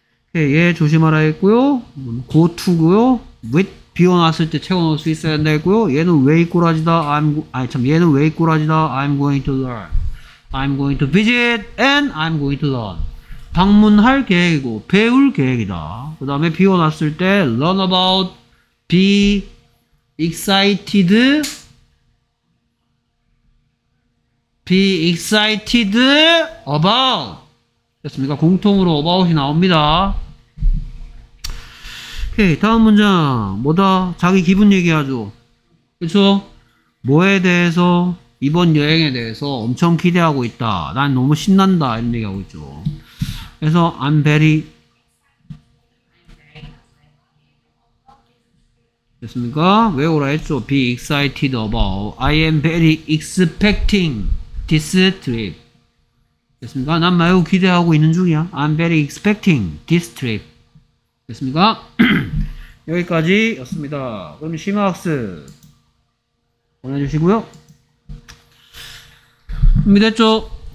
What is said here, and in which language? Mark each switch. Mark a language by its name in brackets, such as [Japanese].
[Korean] 오케이, 얘 조심하라 했고요. Go to고요. With 비워놨을 때 채워놓을 수 있어야 된다 했고요. 얘는 왜 이 꼬라지다? I'm 아니 참 얘는 왜 이 꼬라지다? [English] I'm going to learn. I'm going to visit and I'm going to learn. [Korean] 방문할 계획이고 배울 계획이다. 그 다음에 비워놨을 때 learn about, be excited. [English] Be excited about [Korean] 됐습니까? 공통으로 about이 나옵니다. 오케이, 다음 문장 뭐다? 자기 기분 얘기하죠. 그쵸? 뭐에 대해서? 이번 여행에 대해서 엄청 기대하고 있다. 난 너무 신난다 이런 얘기하고 있죠. 그래서 I'm very 됐습니까? 외우라 했죠. [English] Be excited about I am very expecting this trip. [Korean] 됐습니까? 난 매우 기대하고 있는 중이야. [English] I'm very expecting this trip. [Korean] 됐습니까? 여기까지였습니다. 그럼 심화학습 보내주시고요. 준비됐죠?